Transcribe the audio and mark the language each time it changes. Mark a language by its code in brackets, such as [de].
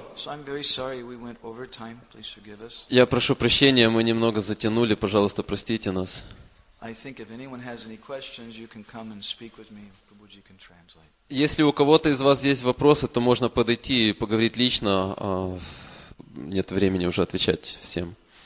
[en] So I'm very sorry we went over time. Please forgive us. [ru] Я прошу прощения, мы немного затянули. Пожалуйста, простите нас. [en] I think if anyone has any questions, you can come and speak with me. Prabhuji can translate. [ru] Если у кого-то из вас есть вопросы, то можно подойти и поговорить лично. Нет времени уже отвечать всем.